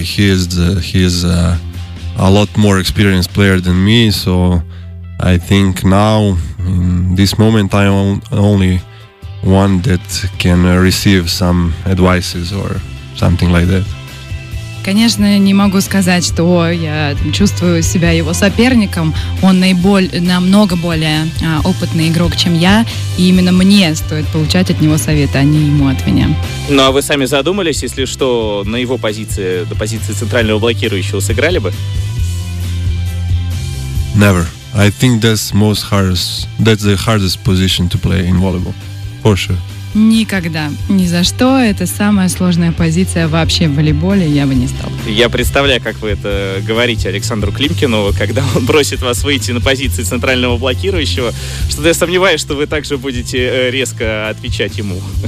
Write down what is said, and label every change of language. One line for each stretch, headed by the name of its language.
English: He is a lot more experienced player than me, so I think now in this moment I am only one that can receive some advices or something like that.
Russian: Конечно, не могу сказать, что я чувствую себя его соперником. Он намного более опытный игрок, чем я. И именно мне стоит получать от него советы, а не ему от меня. Ну, а вы сами задумались, если что, на его позиции, на позиции центрального блокирующего сыграли бы?
English: Never. I think that's the hardest position to play in volleyball. For sure.
Russian: Никогда, ни за что. Это самая сложная позиция вообще в волейболе, я бы не стал. Я представляю, как вы это говорите Александру Климкину, когда он просит вас выйти на позиции центрального блокирующего, что-то я сомневаюсь, что вы также будете резко отвечать ему.